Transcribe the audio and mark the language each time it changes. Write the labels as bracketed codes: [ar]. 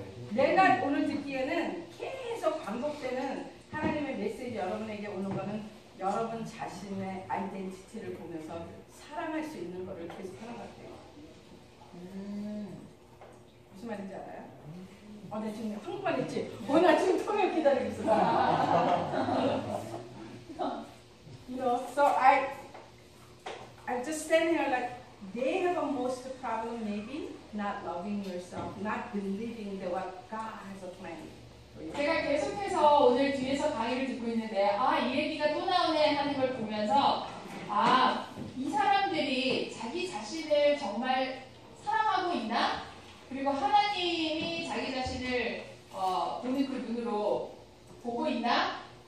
[ko] 내가 오늘 듣기에는 계속 반복되는 하나님의 메시지 여러분에게 오는 거는 여러분 자신의 아이덴티티를 보면서 사랑할 수 있는 거를 계속 하는 것 같아요. 무슨 말인지 알아요? 어, 내가 지금 한국말 했지? 어, 나 지금 통역 기다리고 있어. [en] You know, so I just stand here like they have a most problem maybe not loving yourself, not believing that what God has a plan. [ko] 제가 계속해서 오늘 뒤에서 강의를 듣고 있는데 아, 이 얘기가 또 나오네 하는 걸 보면서 아, 이 사람들이 자기 자신을 정말 사랑하고 있나? 그리고 하나님이 자기 자신을 보는 그 눈으로 보고 있나?